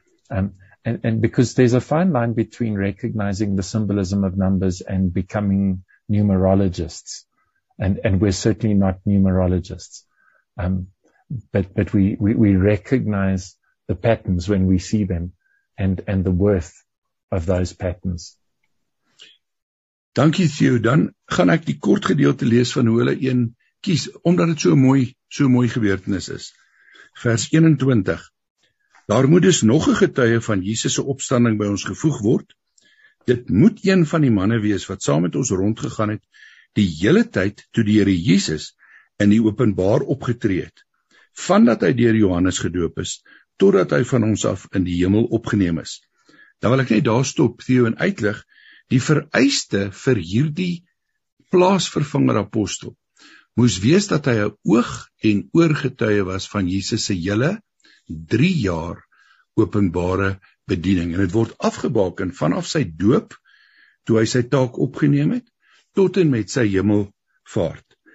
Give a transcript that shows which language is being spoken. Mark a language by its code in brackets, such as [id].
[en] And because there's a fine line between recognizing the symbolism of numbers and becoming numerologists. And we're certainly not numerologists. But we recognize the patterns when we see them and the worth of those patterns. [af] Dankie Theo. Dan gaan ek die kort gedeelte lees van hoe hulle een kies, omdat het so mooi gebeurtenis is. Vers 21. Daar moet dus nog een getuie van Jesus' opstanding by ons gevoeg word. Dit moet een van die manne wees wat saam met ons rondgegaan het die hele tyd toe die Here Jesus in die openbaar opgetree het, vandat hy deur Johannes gedoop is, totdat hy van ons af in die hemel opgeneem is. Dan wil ek net daar stop, Theo, en uitlig, die vereiste vir hierdie plaasvervanger apostel moes wees dat hy 'n oog en oorgetuie was van Jesus se hele 3 jaar openbare bediening, en het word afgebaken vanaf sy doop, toe hy sy taak opgeneem het, tot en met sy hemelvaart.